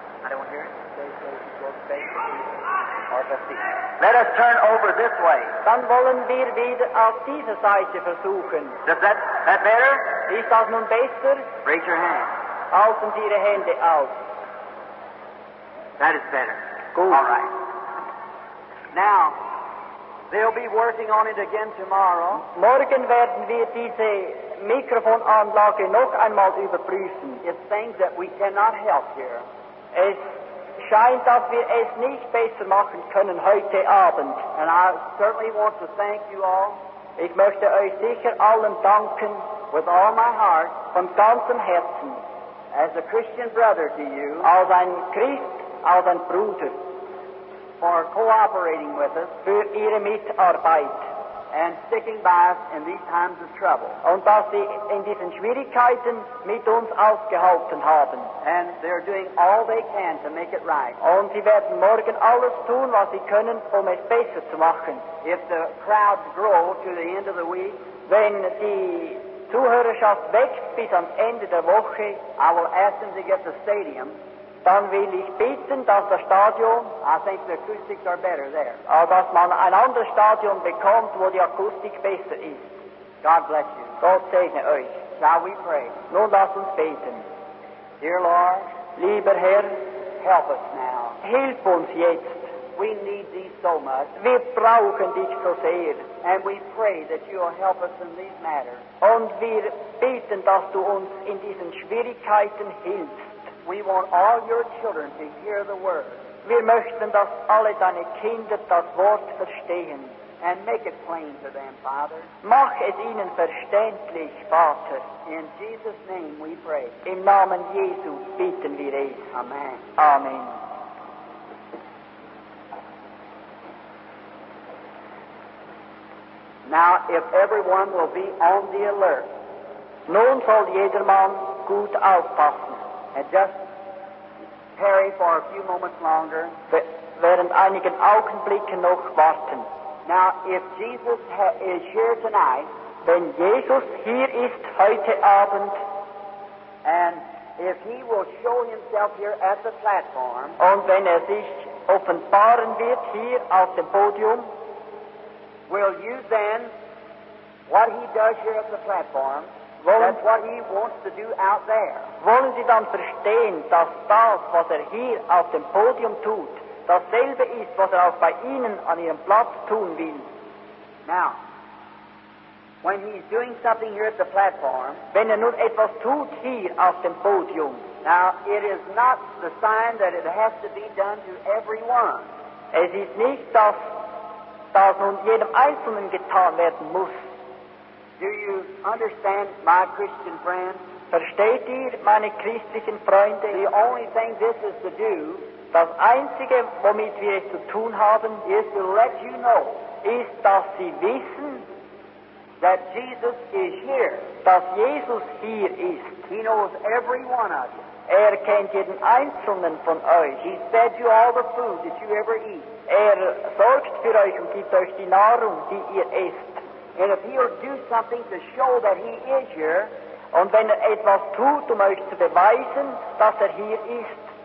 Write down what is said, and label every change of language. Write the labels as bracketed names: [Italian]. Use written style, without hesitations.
[English] I don't hear it. They say it goes back to the other hand. Let us turn over this way. [German] Dann wollen wir wieder auf diese Seite versuchen. [English] Does that better? [German] Ist das nun besser? [English] Raise your hand. [German] Halten Sie Ihre Hände auf. [English] That is better. [German] Gut. [English] All right. Now, they'll be working on it again tomorrow. [German] Morgen werden wir diese Mikrofonanlage noch einmal überprüfen. [English] It's things that we cannot help here. [German] Es scheint, dass wir es nicht besser machen können heute Abend. [English] And I certainly want to thank you all. [German] Ich möchte euch sicher allen danken. [English] With all my heart. [German] Von ganzem Herzen. [English] As a Christian brother to you. [German] Als ein Christ, als ein Bruder. [English] For cooperating with us. [German] Für ihre Mitarbeit. [English] And sticking by us in these times of trouble. [German] Und dass sie in diesen Schwierigkeiten mit uns ausgehalten haben. [English] And they're doing all they can to make it right. [German] Und sie werden morgen alles tun, was sie können, um es besser zu machen. [English] If the crowds grow to the end of the week, [German] wenn die Zuhörerschaft wächst bis am Ende der Woche, [English] I will ask them to get the stadium. [German] Dann will ich bitten, dass das Stadion, [English] I think the acoustics are better there. [German] Dass man ein anderes Stadion bekommt, wo die Akustik besser ist. [English] God bless you. [German] Gott segne euch. [English] Shall we pray? [German] Nun lass uns beten. [English] Dear Lord, [German] lieber Herr, [English] help us now. [German] Hilf uns jetzt. [English] We need thee so much. [German] Wir brauchen dich so sehr. [English] And we pray that you will help us in these matters. [German] Und wir beten, dass du uns in diesen Schwierigkeiten hilfst. [English] We want all your children to hear the word. [German] Wir möchten, dass alle deine Kinder das Wort verstehen. [English] And make it plain to them, Father. [German] Mach es ihnen verständlich, Vater. [English] In Jesus' name we pray. [German] Im Namen Jesu bitten wir es. [English] Amen. [German] Amen. [English] Now, if everyone will be on the alert. [German] Nun soll jedermann gut aufpassen. [English] And just tarry for a few moments longer. [German] Während einigen Augenblicken noch warten. [English] Now, if Jesus is here tonight, [German] wenn Jesus hier ist heute Abend, [English] and if he will show himself here at the platform, [German] und wenn er sich offenbaren wird hier auf dem Podium, [English] will you then, what he does here at the platform, [German] wollen, [English] that's what he wants to do out there. [German] wollen Sie dann verstehen, dass das, was hier auf dem Podium tut, dasselbe ist, was auch bei Ihnen an Ihrem Platz tun will. [English] Now, when he's doing something here at the platform, [German] wenn nun etwas tut hier auf dem Podium, [English] now, it is not the sign that it has to be done to everyone. [German] Es ist nicht, dass das nun jedem Einzelnen getan werden muss. [English] Do you understand, my Christian friend? [German] Versteht ihr, meine christlichen Freunde? [English] The only thing this is to do, [German] das Einzige, womit wir es zu tun haben, [English] is to let you know, [German] ist, dass sie wissen, [English] that Jesus is here. [German] Dass Jesus hier ist. [English] He knows every one of you. [German] Kennt jeden Einzelnen von euch. [English] He fed you all the food that you ever eat. [German] Sorgt für euch und gibt euch die Nahrung, die ihr esst. [English] And if he'll do something to show that he is here, [German] und wenn etwas tut, euch zu beweisen, dass hier ist,